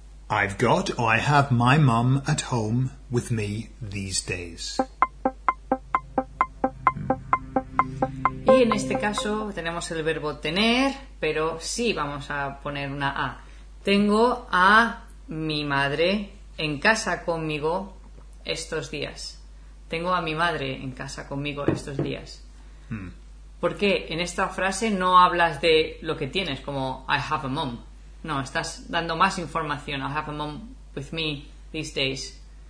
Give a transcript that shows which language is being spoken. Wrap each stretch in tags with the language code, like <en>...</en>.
<en>I've got or I have my mum at home with me these days.</en> <es>Y en este caso tenemos el verbo tener, pero sí vamos a poner una A. Tengo a mi madre en casa conmigo estos días. Tengo a mi madre en casa conmigo estos días. Hmm. Porque en esta frase no hablas de lo que tienes, como</es> <en>I have a mom.</en> <es>No, estás dando más información.</es> <en>I have a mom with me these days.</en>